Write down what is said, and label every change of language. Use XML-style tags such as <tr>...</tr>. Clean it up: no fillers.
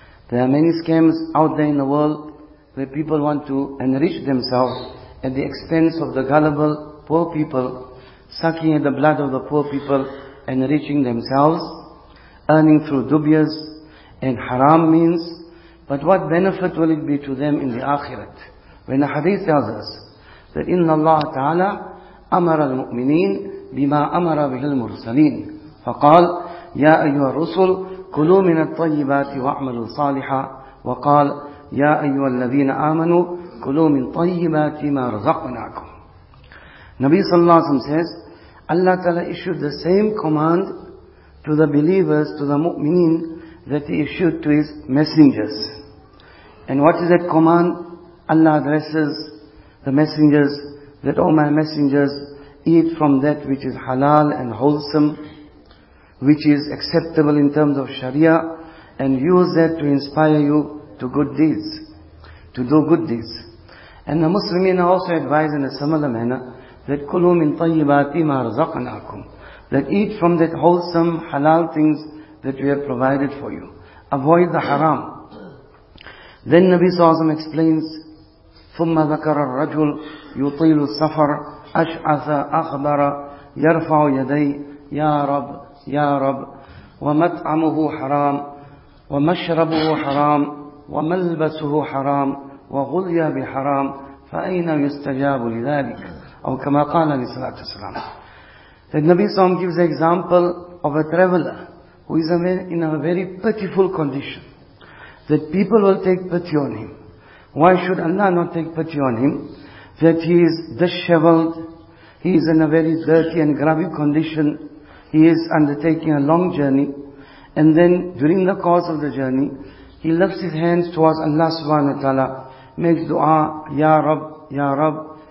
<en>There are many scams out there in the world where people want to enrich themselves at the expense of the gullible poor people, sucking at the blood of the poor people, enriching themselves, earning through dubious and haram means. But what benefit will it be to them in the akhirat?</en> <ar>When the hadith tells us that إِنَّ اللَّهَ تَعَالَىٰ أَمَرَ الْمُؤْمِنِينَ بِمَا أَمَرَ بِهِ الْمُرْسَلِينَ فَقَالَ يَا أَيُّهَا الرُّسُلُ كُلُوا مِنَ الطَّيِّبَاتِ وَأَعْمَلُوا صَالِحًا وَقَالَ يَا أَيُّهَا الَّذِينَ آمَنُوا كُلُوا مِنْ طَيِّبَاتِ مَا رَزَقْنَاكُمْ.</ar> <en>Nabi sallallahu alayhi wa sallam says, Allah ta'ala issued the same command to the believers, to the mu'mineen, that he issued to his messengers. And what is that command? Allah addresses the messengers, that, oh my messengers, eat from that which is halal and wholesome, which is acceptable in terms of Sharia, and use that to inspire you to good deeds, to do good deeds. And the Muslimin also advise in a similar manner, that</en> <ar>كُلُوا مِن طَيِّبَاتِ مَا رَزَقْنَاكُمْ,</ar> <en>that eat from that wholesome, halal things that we have provided for you. Avoid the haram. Then Nabi Sallam explains,</en> <ar>ثُمَّ ذَكَرَ الرَّجُلُ يُطِيلُ السَّفَرَ أَشْعَثَ أَخْبَرَ يَرْفَعُ يَدَيْهِ يَا رَبْ يَا رَبْ وَمَطْعَمُهُ حَرَامٌ وَمَشْرَبُهُ حَرَامٌ وَمَلْبَسُهُ حَرَامٌ وَغُذِيَ بِحَرَامٍ فَأَيْنَ يُسْتَجَابُ لِذَلِكَ. أو كما قال عليه الصلاة والسلام.</ar> <en>That Nabi Sallam gives the example of a traveler who is in a very pitiful condition. That people will take pity on him. Why should Allah not take pity on him? That he is disheveled, he is in a very dirty and grubby condition, he is undertaking a long journey, and then during the course of the journey, he lifts his hands towards Allah subhanahu wa ta'ala, makes dua, Ya Rab, Ya Rab.</en>